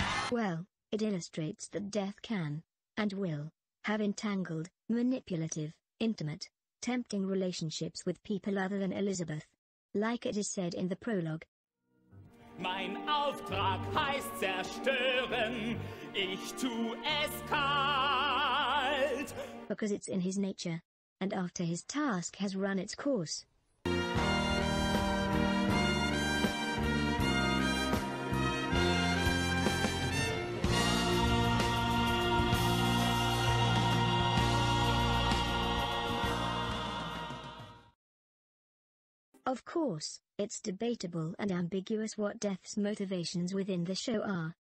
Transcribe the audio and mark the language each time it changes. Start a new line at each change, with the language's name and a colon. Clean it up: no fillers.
English: Well, it illustrates that death can, and will, have entangled, manipulative, intimate, tempting relationships with people other than Elisabeth. Like it is said in the prologue,
German: Mein Auftrag heißt zerstören, ich tu es kalt.
English: Because it's in his nature, and after his task has run its course, of course, it's debatable and ambiguous what Death's motivations within the show are.